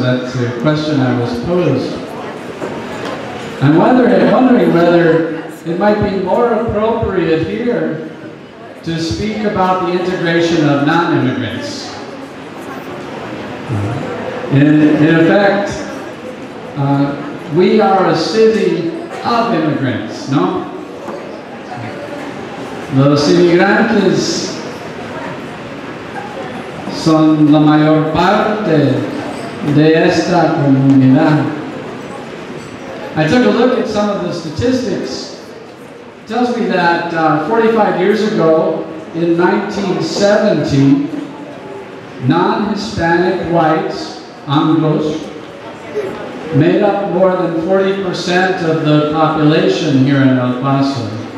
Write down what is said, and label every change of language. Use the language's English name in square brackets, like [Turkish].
[English] That's a question I was posed. I'm wondering whether it might be more appropriate here to speak about the integration of non-immigrants. In effect, we are a city of immigrants, no? [Spanish] Los inmigrantes son la mayor parte de esta comunidad. [English] I took a look at some of the statistics. It tells me that 45 years ago, in 1970, non-Hispanic whites, Anglos, made up more than 40% of the population here in El Paso.